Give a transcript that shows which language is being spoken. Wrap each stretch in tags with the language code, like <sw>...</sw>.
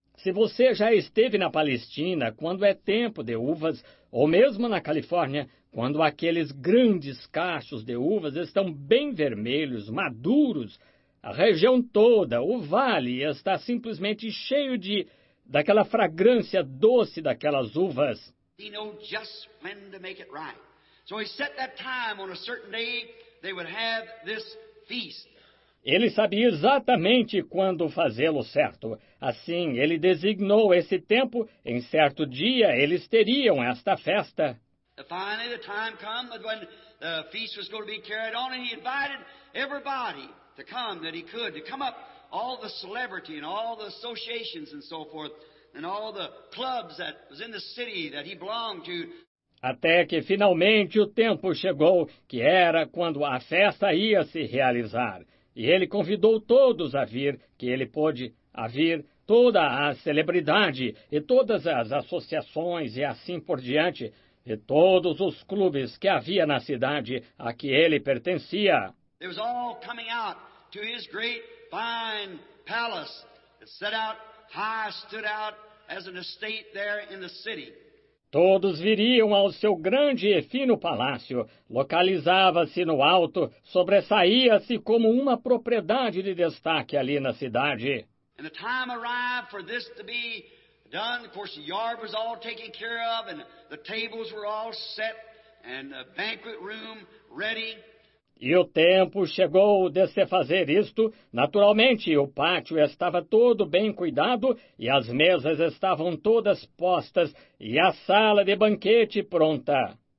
<pt>Se você já esteve na Palestina, quando é tempo de uvas, ou mesmo na Califórnia, quando aqueles grandes cachos de uvas estão bem vermelhos, maduros, a região toda, o vale, está simplesmente cheio daquela fragrância doce daquelas uvas.</pt> <en>He knew just when to make it right. So he set that time on a certain day they would have this feast.</en> <pt>Ele sabia exatamente quando fazê-lo certo. Assim, ele designou esse tempo, em certo dia eles teriam esta festa.</pt> <en>Finally, the time came when the feast was going to be carried on, and he invited everybody to come that he could, to come up, all the celebrity and all the associations and so forth, and all the clubs that was in the city that he belonged to.</en> <pt>Até que finalmente o tempo chegou, que era quando a festa ia se realizar. E ele convidou todos a vir, que ele pôde a vir, toda a celebridade e todas as associações e assim por diante, e todos os clubes que havia na cidade a que ele pertencia.</pt> <en>It was all coming out to his great fine palace that set out high, stood out as an estate there in the city.</en> <pt>Todos viriam ao seu grande e fino palácio, localizava-se no alto, sobressaía-se como uma propriedade de destaque ali na cidade.</pt> <en>And the time arrived for this to be done. Of course, the yard was all taken care of, and the tables were all set, and the banquet room ready.</en> <pt>E o tempo chegou de se fazer isto. Naturalmente, o pátio estava todo bem cuidado e as mesas estavam todas postas e a sala de banquete pronta.</pt>